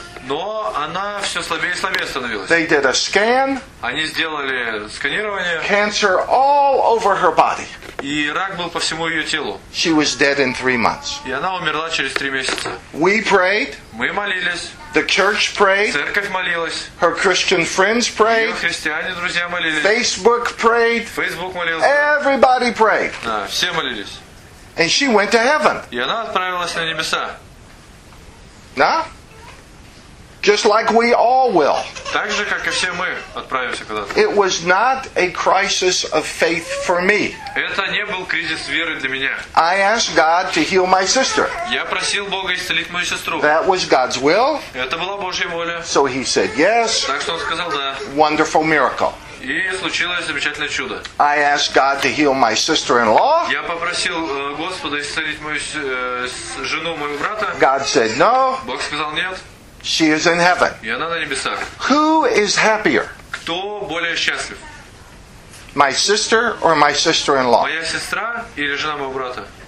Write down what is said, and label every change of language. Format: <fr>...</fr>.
<ru>Но она все слабее и слабее становилась.</ru> <en>They did a scan.</en> <ru>Они сделали сканирование.</ru> <en>Cancer all over her body.</en> <ru>И рак был по всему ее телу.</ru> <en>She was dead in 3 months.</en> <ru>И она умерла через 3 месяца.</ru> <en>We prayed.</en> <ru>Мы молились.</ru> <en>The church prayed.</en> <ru>Церковь молилась.</ru> <en>Her Christian friends prayed.</en> <ru>Ее христиане друзья молились.</ru> <en>Facebook prayed.</en> <ru>Facebook молился.</ru> <en>Everybody prayed.</en> <ru>Да, все молились.</ru> <en>And she went to heaven.</en> <ru>И она отправилась на небеса.</ru> <en>Да? Just like we all will.</en> <ru>Так же, как и все мы отправимся куда-то.</ru> <en>It was not a crisis of faith for me.</en> <ru>Это не был кризис веры для меня.</ru> <en>I asked God to heal my sister.</en> <ru>Я просил Бога исцелить мою сестру.</ru> <en>That was God's will.</en> <ru>Это была Божья воля.</ru> <en>So he said yes.</en> <ru>Так что он сказал да.</ru> <en>Wonderful miracle.</en> <ru>И случилось замечательное чудо.</ru> <en>I asked God to heal my sister-in-law.</en> <ru>Я попросил Господа исцелить мою жену моего брата.</ru> <en>God said no.</en> <ru>Бог сказал нет.</ru> <en>She is in heaven.</en> <ru>И она на небесах.</ru> <en>Who is happier?</en> <ru>Кто более счастлив?</ru> <en>My sister or my sister-in-law?</en> <ru>Моя сестра или жена моего брата?</ru>